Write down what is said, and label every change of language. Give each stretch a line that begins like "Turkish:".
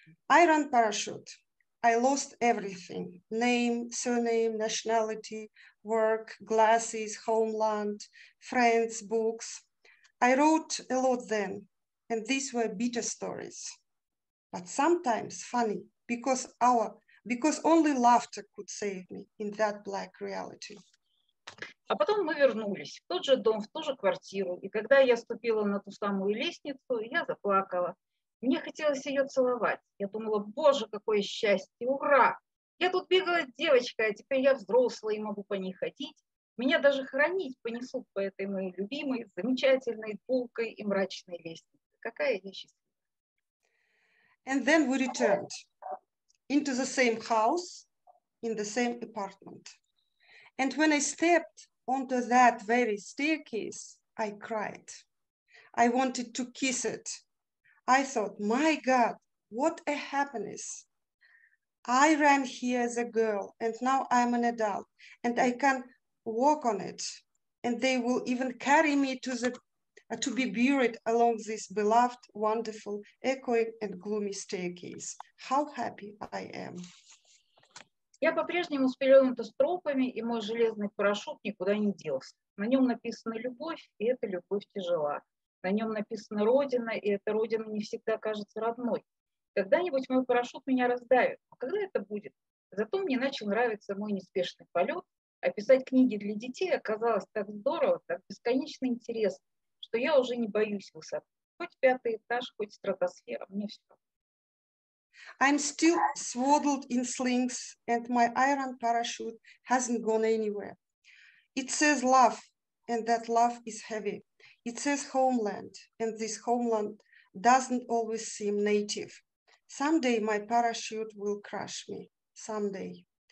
English: I ran parachute. I lost everything: name, surname, nationality, work, glasses, homeland, friends, books. I wrote a lot then, and these were bitter stories, but sometimes funny, because only laughter could save me in that black reality.
Russian: А потом мы вернулись в тот же дом, в ту же квартиру. И когда я ступила на ту самую лестницу, я заплакала. Мне хотелось ее целовать. Я думала, боже, какое счастье, ура! Я тут бегала девочкой, а теперь я взрослая и могу по ней ходить. Меня даже хоронить понесут по этой моей любимой, замечательной булкой и мрачной лестнице. Какая я счастливая.
English: And then we returned into the same house, in the same apartment. And when I stepped onto that very staircase, I cried. I wanted to kiss it. I thought, my God, what a happiness. I ran here as a girl, and now I'm an adult, and I can walk on it. And they will even carry me to be buried along this beloved, wonderful, echoing and gloomy staircase. How happy I am.
Russian: Я по-прежнему с пеленутыми стропами, и мой железный парашют никуда не делся. На нем написана любовь, и эта любовь тяжела. На нем написана родина, и эта родина не всегда кажется родной. Когда-нибудь мой парашют меня раздавит. А когда это будет? Зато мне начал нравиться мой неспешный полет, а писать книги для детей оказалось так здорово, так бесконечно интересно, что я уже не боюсь высоты. Хоть пятый этаж, хоть стратосфера, мне все.
English: I'm still swaddled in slings, and my iron parachute hasn't gone anywhere. It says love, and that love is heavy. It says homeland, and this homeland doesn't always seem native. Someday my parachute will crush me, someday.